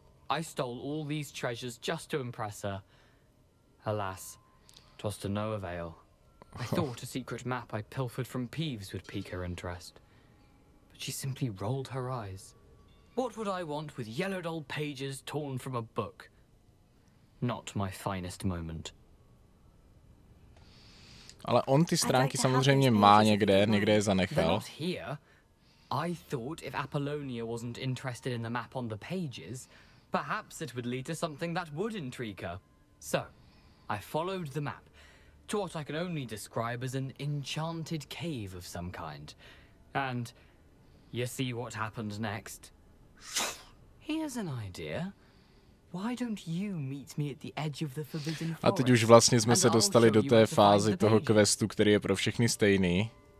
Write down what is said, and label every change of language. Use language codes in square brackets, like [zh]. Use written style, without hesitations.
[en] I stole all these treasures just to impress her. Alas, it was to no avail. I thought a secret map I pilfered from Peeves would pique her interest. But she simply rolled her eyes. What would I want with yellowed old pages torn from a book? Not my finest moment. [cs] Ale on ty stránky samozřejmě má někde je zanechal. [en] I thought if Apollonia wasn't interested in the map on the pages, perhaps it would lead to something that would intrigue her. So, I followed the map to what I can only describe as an enchanted cave of some kind. And you see what happened next. Here's an idea. Why don't you meet me at the edge of the forbidden forest? [cs] A teď už vlastně jsme se dostali do té fáze toho questu, který je pro všechny stejný.